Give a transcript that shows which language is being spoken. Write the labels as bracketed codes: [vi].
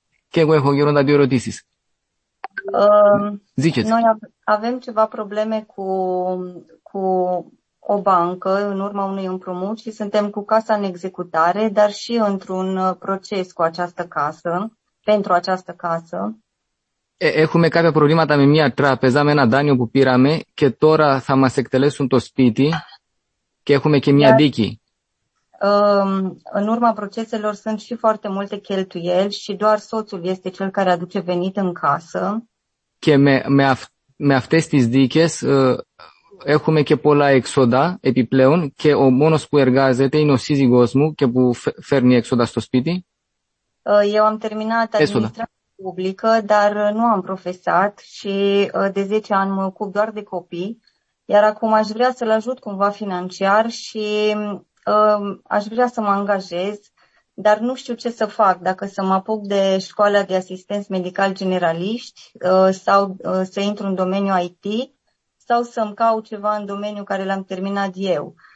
[ro] Che guai hogeronda biorotisis? Ziceți. Noi avem ceva probleme cu o bancă în urma unui împrumut și suntem cu casa în executare, dar și într-un proces cu această casă, pentru această casă. [el] Έχουμε κάποια προβλήματα με μια τράπεζα, με ένα δάνειο που πήραμε και τώρα θα μας εκτελέσουν το σπίτι και έχουμε και μια δίκη. [ro] În urma proceselor sunt și foarte multe cheltuieli și doar soțul este cel care aduce venit în casă. [el] Και με αυτές τις δίκες έχουμε και πολλά έξοδα επιπλέον και ο μόνος που εργάζεται είναι ο σύζυγός μου και που φέρνει έξοδα στο σπίτι. [ro] Eu am terminat administrația publică, dar nu am profesat și de 10 ani mă ocup doar de copii, iar acum aș vrea să-l ajut cumva financiar și aș vrea să mă angajez, dar nu știu ce să fac, dacă să mă apuc de școala de asistenți medical generaliști sau să intru în domeniul IT sau să-mi caut ceva în domeniul care l-am terminat eu.